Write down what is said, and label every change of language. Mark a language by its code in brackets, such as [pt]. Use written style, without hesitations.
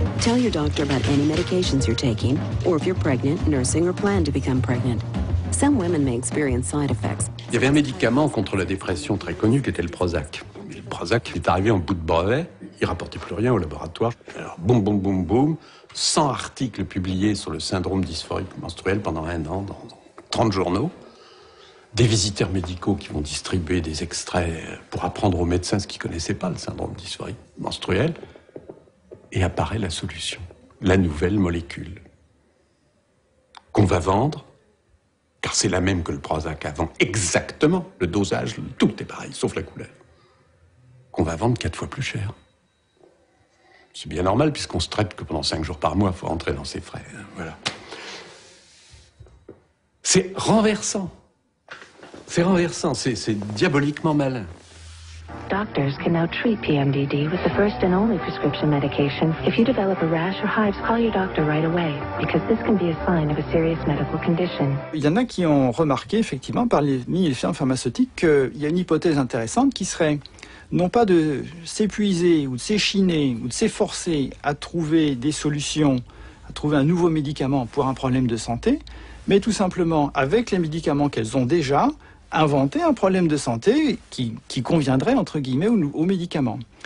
[en] Tell your doctor about any medications you're taking, or if you're pregnant, nursing, or plan to become pregnant. Some women may experience side effects. [fr] Il y avait un médicament contre la dépression très connu qui était le Prozac. Mais le Prozac est arrivé en bout de brevet, il rapportait plus rien au laboratoire. Alors, boum, boum, boum, boum, 100 articles publiés sur le syndrome dysphorique menstruel pendant un an dans 30 journaux. Des visiteurs médicaux qui vont distribuer des extraits pour apprendre aux médecins ce qu'ils ne connaissaient pas, le syndrome dysphorique menstruel. Et apparaît la solution, la nouvelle molécule qu'on va vendre, car c'est la même que le Prozac avant, exactement le dosage, tout est pareil, sauf la couleur, qu'on va vendre 4 fois plus cher. C'est bien normal, puisqu'on se traite que pendant 5 jours par mois, il faut rentrer dans ses frais. Voilà. C'est renversant. C'est renversant, c'est diaboliquement malin. [en] Doctors can now treat PMDD with the first and only prescription medication. If you develop a rash or hives, call your doctor right away, because this can be a sign of a serious medical condition. [fr] Il y en a qui ont remarqué, effectivement, parmi les firmes pharmaceutiques, qu'il y a une hypothèse intéressante qui serait non pas de s'épuiser ou de s'échiner ou de s'efforcer à trouver des solutions, à trouver un nouveau médicament pour un problème de santé, mais tout simplement, avec les médicaments qu'elles ont déjà, inventer un problème de santé qui conviendrait, entre guillemets, aux médicaments.